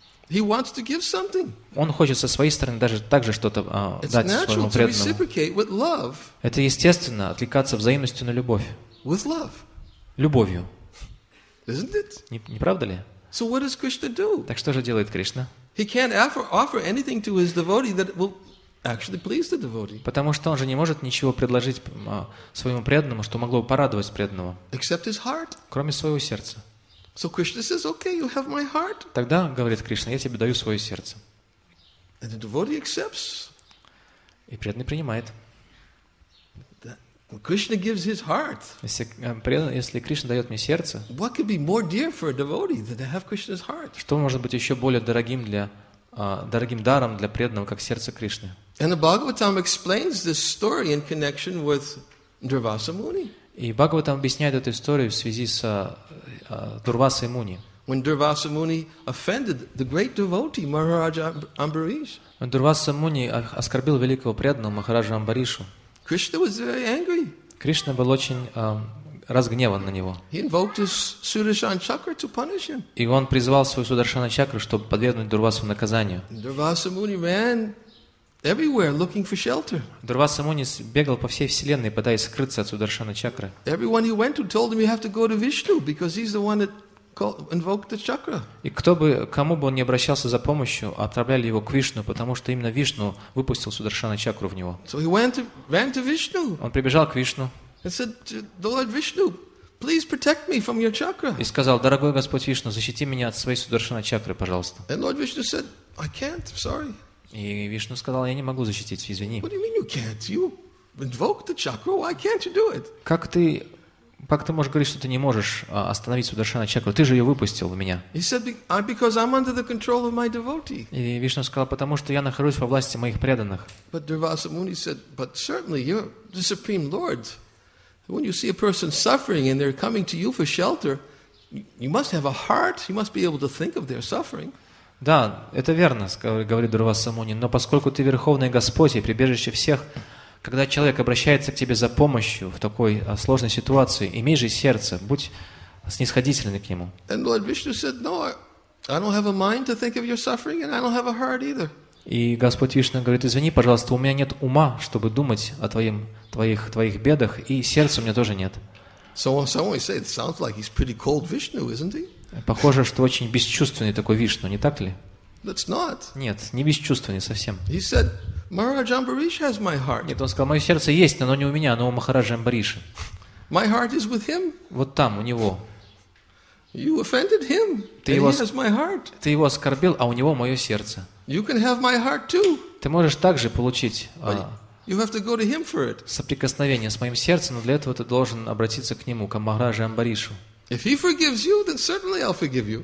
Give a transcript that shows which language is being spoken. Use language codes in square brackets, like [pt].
[en] He wants to give something. [ru] Он хочет со своей стороны даже так же что-то дать своему преданному. Это естественно, откликаться взаимностью на любовь. [en] With love. [ru] Любовью. [en] Isn't it? [ru] Не правда ли? [en] So what does Krishna do? [ru] Так что же делает Кришна? [en] He can't offer anything to his devotee that will actually please the devotee. [ru] Потому что он же не может ничего предложить своему преданному, что могло бы порадовать преданного. [en] Except his heart. [ru] Кроме своего сердца. [en] So Krishna says, "Okay, you have my heart." [ru] Тогда говорит Кришна, я тебе даю свое сердце. [en] And the devotee accepts. [ru] И преданный принимает. [en] Krishna gives his heart. [ru] Если Кришна дает мне сердце. [en] What could be more dear for a devotee than to have Krishna's heart? [ru] Что может быть еще более дорогим даром для преданного, как сердце Кришны? [en] And the Bhagavatam explains this story in connection with Durvasa Muni. [ru] И Бхагаватам объясняет эту историю в связи с Дурвасой Муни. [en] When Durvasa Muni offended the great devotee Maharaja Ambarish. [ru] When Durvasa Muni оскорбил великого преданного Махараджа Амбаришу. [en] Krishna was very angry. [ru] Кришна был очень разгневан на него. [en] He invoked his Sudarshan Chakra to punish him. [ru] И он призвал свою Сударшана Чакру, чтобы подвергнуть Дурвасу наказанию. [en] Durvasa Muni ran Everywhere looking for shelter. [ru] Дурвасса Муни бегал по всей вселенной, пытаясь скрыться от Сударшана чакры. [en] Everyone he went to told him you have to go to Vishnu because he's the one that invoked the chakra. [ru] И кто бы, кому бы он ни обращался за помощью, отправляли его к Вишну, потому что именно Вишну выпустил Сударшана чакру в него. [en] So he ran to Vishnu. [ru] Он прибежал к Вишну. [en] He said, Lord Vishnu, please protect me from your chakra. [ru] И сказал: дорогой Господь Вишну, защити меня от своей Сударшана чакры, пожалуйста. [en] And Lord Vishnu said, I can't. Sorry. [ru] И Вишну сказал: я не могу защитить, извини. [en] What do you mean you can't? You invoked the chakra. Why can't you do it? [ru] Как ты можешь говорить, что ты не можешь остановить Сударшана чакру? Ты же ее выпустил у меня. [en] He said, because I'm under the control of my devotee. [ru] И Вишну сказал: потому что я нахожусь во власти моих преданных. [en] But Durvasa Muni said, but certainly you're the supreme lord. When you see a person suffering and they're coming to you for shelter, you must have a heart. You must be able to think of their suffering. [ru] Да, это верно, говорит Дурвасса Муни. Но поскольку ты Верховный Господь и прибежище всех, когда человек обращается к тебе за помощью в такой сложной ситуации, имей же сердце, будь снисходительный к нему. [en] And Lord Vishnu said, no, I don't have a mind to think of your suffering, and I don't have a heart either. [ru] И Господь Вишна говорит: извини, пожалуйста, у меня нет ума, чтобы думать о твоих бедах, и сердца у меня тоже нет. [en] So someone said, it sounds like he's pretty cold Vishnu, isn't he? [ru] Похоже, что очень бесчувственный такой Вишну, не так ли? [en] That's not. [ru] Нет, не бесчувственный совсем. [en] He said, Maharaj Ambarish has my heart. [ru] Нет, он сказал: мое сердце есть, но оно не у меня, оно у Махараджа Амбариша. [en] My heart is with him. [ru] Вот там, у него. [en] You offended him, and he has my heart. [ru] Ты его оскорбил, а у него мое сердце. [en] You can have my heart too. [ru] Ты можешь также получить. [en] You have to go to him for it. [ru] Соприкосновение с моим сердцем, но для этого ты должен обратиться к нему, к Махараджа Амбаришу. [en] If he forgives you, then certainly I'll forgive you.